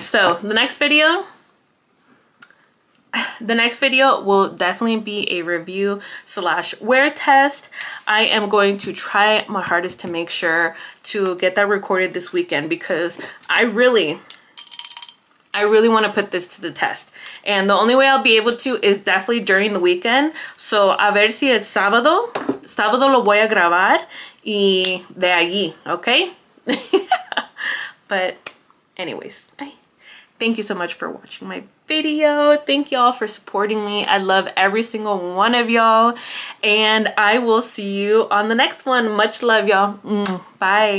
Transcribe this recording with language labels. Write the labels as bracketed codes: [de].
[en] So, the next video will definitely be a review slash wear test. I am going to try my hardest to make sure to get that recorded this weekend because I really want to put this to the test. And the only way I'll be able to is definitely during the weekend. [es] So a ver si es sábado. Sábado lo voy a grabar y de allí, okay? [en] But anyways, thank you so much for watching my video. Thank y'all for supporting me. I love every single one of y'all. And I will see you on the next one. Much love, y'all. Bye.